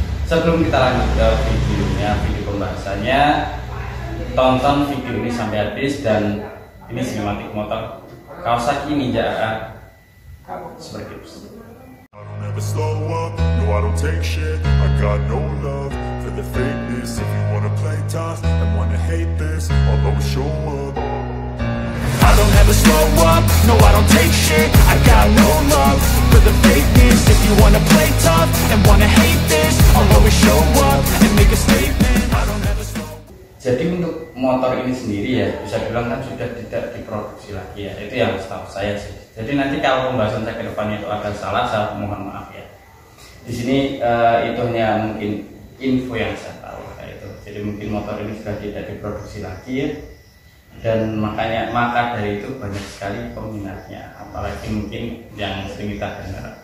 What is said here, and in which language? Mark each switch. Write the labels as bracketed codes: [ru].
[id] Sebelum kita lanjut ke videonya, video pembahasannya, tonton video ini sampai habis dan ini sinematik motor Kawasaki Ninja RR Super Kicks. [en] Slow up, no I don't take shit. I got no love for the fakeness. If you wanna play tough and wanna hate this, I'll always show up. I don't ever slow up, no I don't take shit. I got no love for the fakeness. If you wanna play tough and wanna hate this, I'll always show up and make a statement. I don't ever slow up. [id] Jadi untuk motor ini sendiri ya, bisa bilang kan sudah tidak diproduksi lagi ya. Itu yang setahu saya sih. Jadi nanti kalau pembahasan saya ke depannya itu agak salah, saya mohon maaf ya. Di sini itu hanya mungkin info yang saya tahu kayak itu. Jadi mungkin motor ini sudah tidak diproduksi lagi ya. Dan makanya maka dari itu banyak sekali peminatnya, apalagi mungkin yang sering kita dengar.